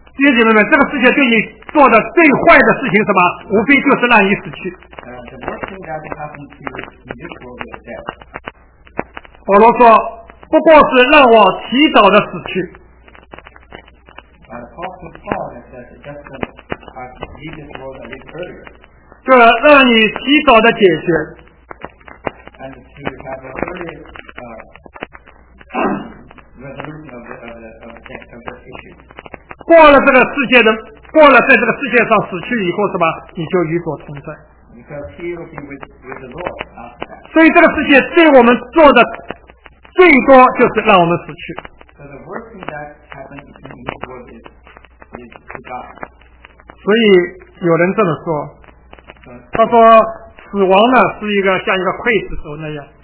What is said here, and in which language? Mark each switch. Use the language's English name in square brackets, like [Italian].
[Chinese] 弟兄姐妹们，这个世界对你做的最坏的事情是什么？无非就是让你死去。 [English] The worst thing that happened to you in this world is death. [Chinese] 保罗说，不过是让我提早的死去。 [English] Paul to Paul that said just that I could leave this world a little earlier. [Chinese] 就让你提早的解决。 [English] And to have an early resolution of the issue. [Chinese] 过了这个世界的，过了在这个世界上死去以后，是吧？你就与主同在。 [English] Because he will be with the Lord. [Chinese] 所以这个世界对我们做的最多就是让我们死去。 [English] So the worst thing that happens in this world is to die. [Chinese] 所以有人这么说。他说死亡呢是一个像一个刽子手那样。